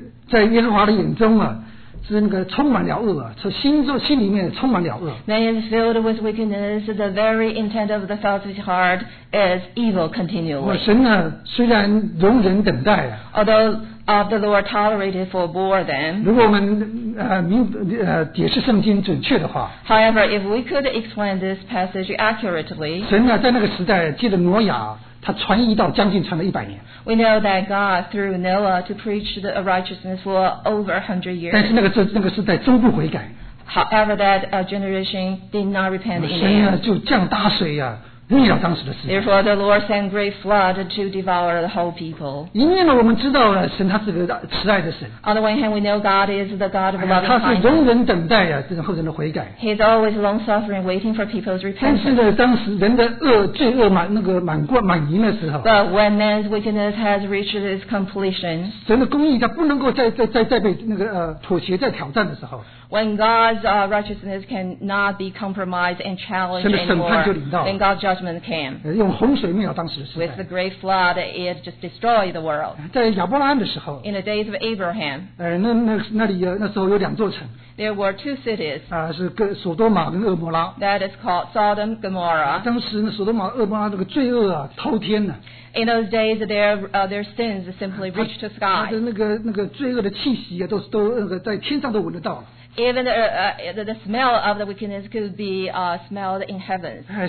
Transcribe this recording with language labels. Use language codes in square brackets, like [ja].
[zh] 在耶和华的眼中啊 是那个充满了恶, 心里面充满了恶, [en] Man is filled with wickedness, the very intent of the thoughts of his heart is evil continually. [zh] 神呢, 虽然容忍等待啊, [en] Although the Lord tolerated forbore them, [zh] 如果我们, 解释圣经准确的话, [en] however, if we could explain this passage accurately, [zh] 神呢, 在那个时代, 记得挪亚, 他传义道将近传了100年 [en] We know that God through Noah to preach the righteousness for over 100 years [zh] 但是那个时代终不悔改 [en] However that generation did not repent in [zh] 神呢就降大水啊 灭了当时的时代 [en] Therefore the Lord sent great flood to devour the whole people [zh] 因为呢我们知道了神他是个慈爱的神 [en] On the one hand we know God is the God of loving kindness [zh] 他是容忍等待啊 这种后人的悔改 [en] He's always long suffering waiting for people's repentance [zh] 但是呢当时人的罪恶满盈的时候 [en] But when man's wickedness has reached its completion [zh] 神的公义他不能够再被妥协再挑战的时候 [en] When God's righteousness cannot be compromised and challenged anymore, then God's judgment came. [zh] 用洪水灭了当时的时代, [en] With the great flood, it just destroyed the world. [zh] 在亚伯拉罕的时候, [en] In the days of Abraham, [zh] 那时候有两座城, [en] there were two cities. [zh] 是索多玛跟厄摩拉, [en] that is called Sodom and Gomorrah. [zh] 当时索多玛、厄摩拉这个罪恶啊滔天啊, [en] In those days, their sins simply reached the sky. [zh] 他的那个罪恶的气息啊都在天上都闻得到。 [en] Even the smell of the wickedness could be smelled in heaven.